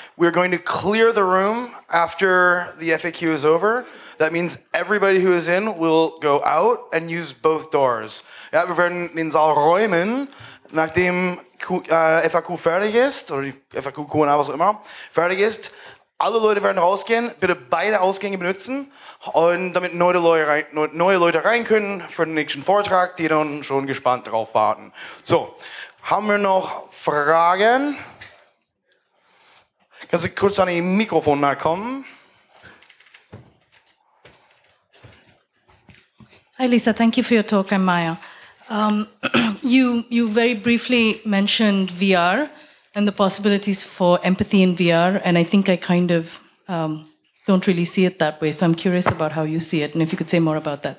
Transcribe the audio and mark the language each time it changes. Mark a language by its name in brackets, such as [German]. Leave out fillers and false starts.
[English] We're going to clear the room after the FAQ is over. That means everybody who is in will go out and use both doors. [German] Ja, wir werden den Saal räumen, nachdem FAQ fertig ist, oder die FAQ, Q&A, was auch immer, fertig ist. Alle Leute werden rausgehen, bitte beide Ausgänge benutzen, und damit neue Leute rein können für den nächsten Vortrag, die dann schon gespannt drauf warten. So, haben wir noch Fragen? Kannst du kurz an die Mikrofon nahe kommen? [English] Hi Lisa, thank you for your talk, I'm Maya. You very briefly mentioned VR. And the possibilities for empathy in VR, and I think I kind of don't really see it that way. So I'm curious about how you see it, and if you could say more about that.